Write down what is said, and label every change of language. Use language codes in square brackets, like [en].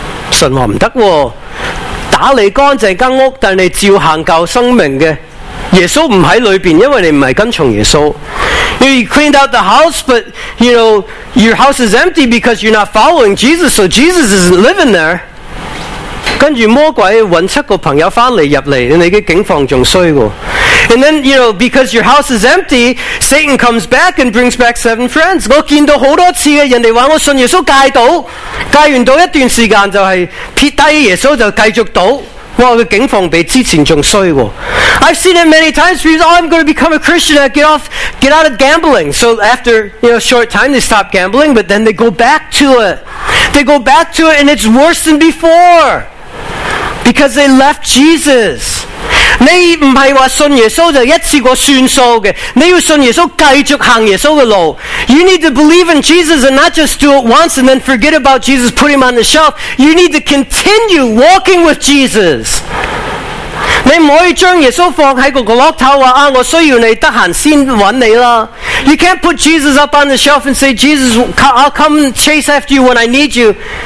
[yue] 神话唔得喎，打理干净间屋，但你照行旧生命嘅。耶稣唔喺里边，因为你唔系跟从耶稣。 [en] You cleaned out the house, but you know your house is empty because you're not following Jesus. So Jesus isn't living there. [yue] 跟住魔鬼揾七个朋友翻嚟入嚟，你嘅境况仲衰喎。 [en] And then you know because your house is empty, Satan comes back and brings back seven friends. [yue] 我见到好多次嘅人哋话我信耶稣戒赌，戒完赌一段时间就系撇低耶稣就继续赌。哇！佢境况比之前仲衰喎。 [en] I've seen it many times. He says, "Oh, I'm going to become a Christian. I get out of gambling." So after you know, short time, they stop gambling, but then they go back to it. They go back to it, and it's worse than before because they left Jesus. [yue] 你唔系话信耶稣就一次过算数嘅，你要信耶稣，继续行耶稣嘅路。 [en] You need to believe in Jesus and not just do it once and then forget about Jesus, put him on the shelf. You need to continue walking with Jesus. [yue] 你唔可以将耶稣放喺个角落头话啊，我需要你，得闲先揾你啦。 [en] You can't put Jesus up on the shelf and say, Jesus, I'll come chase after you when I need you.